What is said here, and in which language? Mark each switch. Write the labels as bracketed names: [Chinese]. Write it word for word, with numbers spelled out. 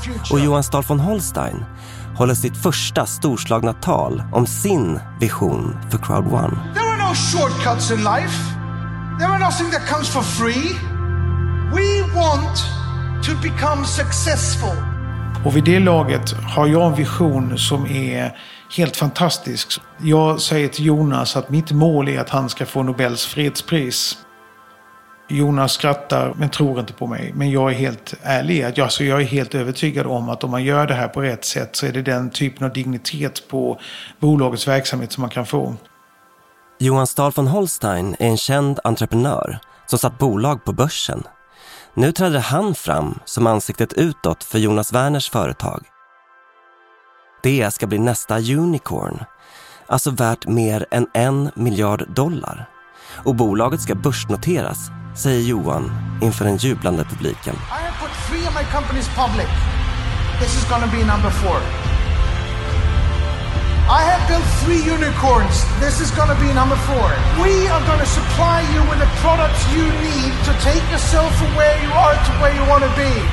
[Swedish] Och Johan Stahl von Holstein håller sitt första storslagna tal om sin vision för Crowd One. [English] There are no shortcuts in life. There are nothing that comes for free. We want to become successful. [Swedish] Och vid det laget har jag en vision som är helt fantastisk. Jag säger till Jonas att mitt mål är att han ska få Nobels fredspris. Jonas skrattar men tror inte på mig. Men jag är helt ärlig. Jag, alltså, jag är helt övertygad om att om man gör det här på rätt sätt så är det den typen av dignitet på bolagets verksamhet som man kan få. Johan Stahl von Holstein är en känd entreprenör som satt bolag på börsen. Nu trädde han fram som ansiktet utåt för Jonas Werners företag. Det ska bli nästa unicorn, alltså värt mer än en miljard dollar. Och bolaget ska börsnoteras, säger Johan inför den jublande publiken. [English] I have put three of my companies public. This is gonna be number four. I have built three unicorns. This is gonna be number four. We are gonna supply you with the products you need to take yourself from where you are to where you wanna be.